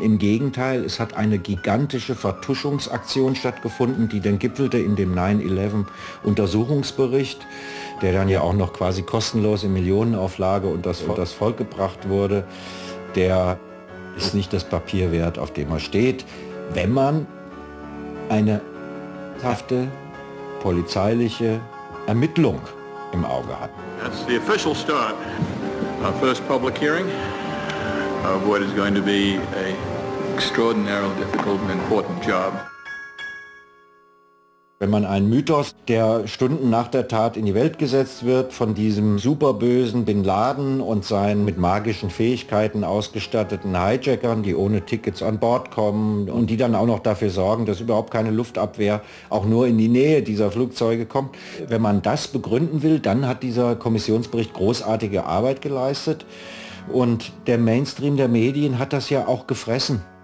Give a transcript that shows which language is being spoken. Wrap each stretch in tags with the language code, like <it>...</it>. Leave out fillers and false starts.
<de>Im Gegenteil, es hat eine gigantische Vertuschungsaktion stattgefunden, die dann gipfelte in dem 9/11-Untersuchungsbericht, der dann ja auch noch quasi kostenlos in Millionenauflage und das Volk gebracht wurde, der ist nicht das Papier wert, auf dem er steht, wenn man eine ernsthafte polizeiliche Ermittlung im Auge hat.</de> <en>That's the official start. Our first public hearing of what is going to be a extraordinarily difficult and important job.</en> <de>Wenn man einen Mythos, der Stunden nach der Tat in die Welt gesetzt wird, von diesem superbösen Bin Laden und seinen mit magischen Fähigkeiten ausgestatteten Hijackern, die ohne Tickets an Bord kommen und die dann auch noch dafür sorgen, dass überhaupt keine Luftabwehr auch nur in die Nähe dieser Flugzeuge kommt, wenn man das begründen will, dann hat dieser Kommissionsbericht großartige Arbeit geleistet und der Mainstream der Medien hat das ja auch gefressen.</de>